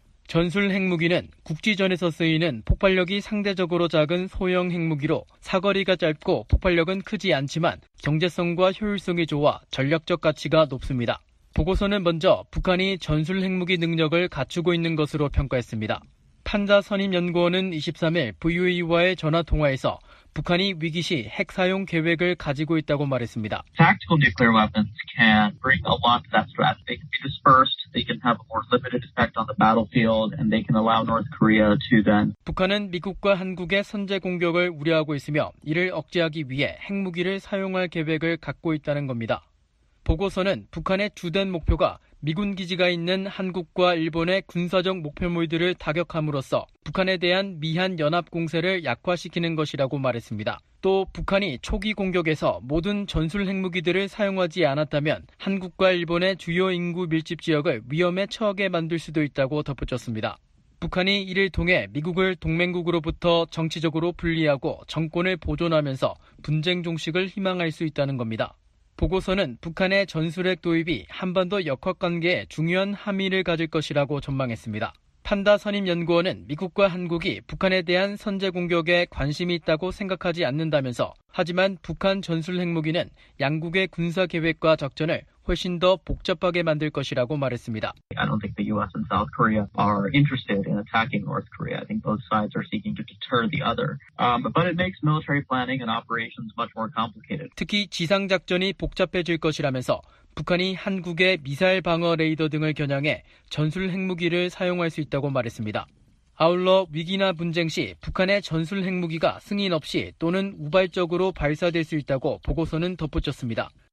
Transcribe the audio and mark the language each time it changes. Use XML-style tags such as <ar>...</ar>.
<ko>전술핵무기는 국지전에서 쓰이는 폭발력이 상대적으로 작은 소형 핵무기로 사거리가 짧고 폭발력은 크지 않지만 경제성과 효율성이 좋아 전략적 가치가 높습니다. 보고서는 먼저 북한이 전술 핵무기 능력을 갖추고 있는 것으로 평가했습니다. 판자 선임연구원은 23일 VOA와의 전화통화에서 북한이 위기 시 핵 사용 계획을 가지고 있다고 말했습니다.</ko> <en>Tactical nuclear weapons can bring a lot to that threat. They can be dispersed, they can have a more limited effect on the battlefield, and they can allow North Korea to then.</en> <ko>북한은 미국과 한국의 선제 공격을 우려하고 있으며 이를 억제하기 위해 핵무기를 사용할 계획을 갖고 있다는 겁니다. 보고서는 북한의 주된 목표가 미군 기지가 있는 한국과 일본의 군사적 목표물들을 타격함으로써 북한에 대한 미한 연합 공세를 약화시키는 것이라고 말했습니다. 또 북한이 초기 공격에서 모든 전술 핵무기들을 사용하지 않았다면 한국과 일본의 주요 인구 밀집 지역을 위험에 처하게 만들 수도 있다고 덧붙였습니다. 북한이 이를 통해 미국을 동맹국으로부터 정치적으로 분리하고 정권을 보존하면서 분쟁 종식을 희망할 수 있다는 겁니다. 보고서는 북한의 전술핵 도입이 한반도 역학관계에 중요한 함의를 가질 것이라고 전망했습니다. 판다 선임연구원은 미국과 한국이 북한에 대한 선제 공격에 관심이 있다고 생각하지 않는다면서 하지만 북한 전술핵무기는 양국의 군사 계획과 작전을 훨씬 더 복잡하게 만들 것이라고 말했습니다.</ko> <en>I don't think the US and South Korea are interested in attacking North Korea. I think both sides are seeking to deter the other. But it makes military planning and operations much more complicated.</en> <ko>특히 지상 작전이 복잡해질 것이라면서 북한이 한국의 미사일 방어 레이더 등을 겨냥해 전술 핵무기를 사용할 수 있다고 말했습니다. 아울러 위기나 분쟁 시 북한의 전술 핵무기가 승인 없이 또는 우발적으로 발사될 수 있다고 보고서는 덧붙였습니다.</ko>